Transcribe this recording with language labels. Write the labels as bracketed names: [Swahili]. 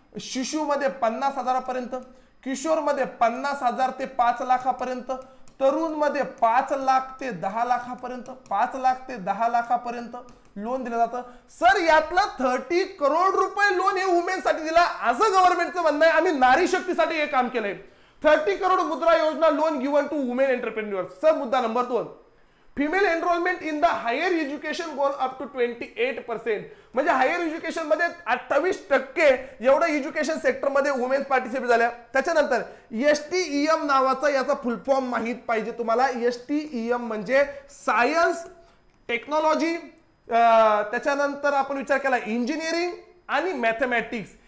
[Marathi] शिशूमध्ये 50,000 पर्यंत, किशोरमध्ये 50,000 ते 5 लाखापर्यंत, तरुणमध्ये 5 लाख ते 10 लाखापर्यंत, 5 लाख ते 10 लाखापर्यंत लोन दिलं जातं. सर यातलं 30 करोड रुपये लोन हे वुमेनसाठी दिला असं गव्हर्नमेंटचं म्हणणं आहे. आम्ही नारी शक्तीसाठी हे काम केलंय. [English] 30 crore Mudra Yojana loan given to women entrepreneur. [Marathi] Sir मुद्दा number 2, [English] Female enrolment in the higher education goal up to 28%. [Marathi] म्हणजे हायर एज्युकेशन मध्ये 28% एवढं एज्युकेशन सेक्टर मध्ये वुमेन पार्टिसिपेट झाल्या. त्याच्यानंतर STEM नावाचा याचा फुल फॉर्म माहीत पाहिजे तुम्हाला. STEM म्हणजे सायन्स टेक्नॉलॉजी, त्याच्यानंतर आपण विचार केला इंजिनिअरिंग आणि मॅथमॅटिक्स.